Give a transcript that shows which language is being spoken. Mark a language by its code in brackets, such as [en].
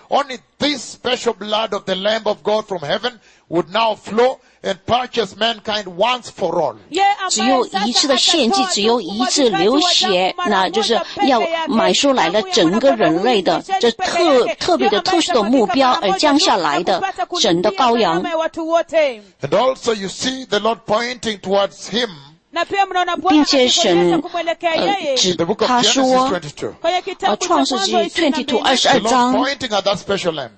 [en] Only this special blood of the Lamb of God from heaven would now flow and purchase mankind once for all. [zh] 只有一次的献祭，只有一次流血，那就是要买出来了整个人类的这特别的特殊的目标而降下来的神的羔羊。 [en] And also, you see the Lord pointing towards Him. [zh] 并且神指他说，创世纪22章。